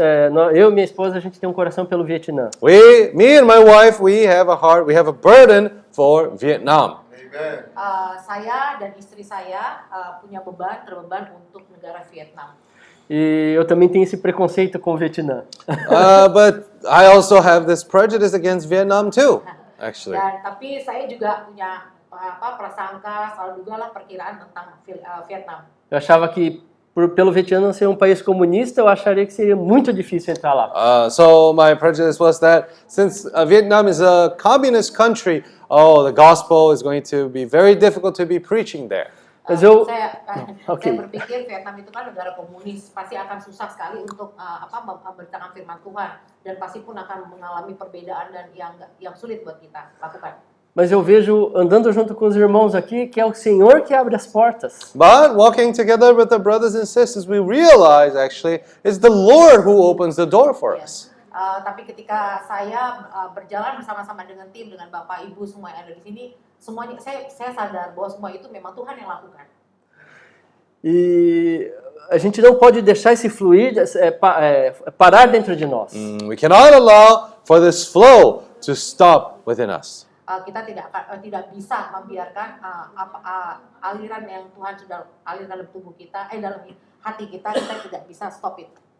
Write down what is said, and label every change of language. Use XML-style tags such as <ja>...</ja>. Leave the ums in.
<pt>É, eu e minha esposa, a gente tem um coração pelo Vietnã.</pt> <en>We, me and my wife, we have a heart. We have a burden for Vietnam.</en> <id>Amen. Uh, saya dan istri saya uh, punya beban, terbeban untuk</id> <pt>Uh, e eu também tenho esse preconceito com o Vietnã. Mas eu também tenho esse preconceito contra o Vietnã.</pt> <en>too, actually.</en> <id>tapi saya juga punya apa prasangka soal juga lah perkiraan tentang Vietnam.</id> <pt>Eu achava que pelo Vietnã não ser um país comunista, eu acharia que seria muito difícil entrar lá.</pt> <en>Uh, so my prejudice was that since uh, Vietnam is a communist country, oh, the gospel is going to be very difficult to be preaching there. So, uh, so,</en> <id>saya, no,</id> <en>okay.</en> <id>saya but, berpikir Vietnam itu kan negara komunis, pasti akan susah sekali untuk uh, apa bertangan firman Tuhan dan pasti pun akan mengalami perbedaan dan yang yang sulit buat kita lakukan.</id> <pt>Mas eu vejo andando junto com os irmãos aqui que é o Senhor que abre as portas.</pt> <en>But walking together with the brothers and sisters, we realize actually it's the Lord who opens the door for yeah. us. Yeah.</en> <id>Uh, tapi ketika saya uh, berjalan bersama-sama dengan tim dengan bapak ibu semua yang ada di sini, semuanya saya saya sadar bahwa semua itu memang Tuhan yang lakukan.</id> <pt>E a gente não pode deixar esse fluir é, parar dentro de nós.</pt> <en>Mm, we cannot allow for this flow to stop within us.</en> <id>Uh, kita tidak uh, tidak bisa membiarkan uh, apa, uh, aliran yang Tuhan sudah aliran dalam tubuh kita eh dalam hati kita kita tidak bisa</id> <en>stop it.</en>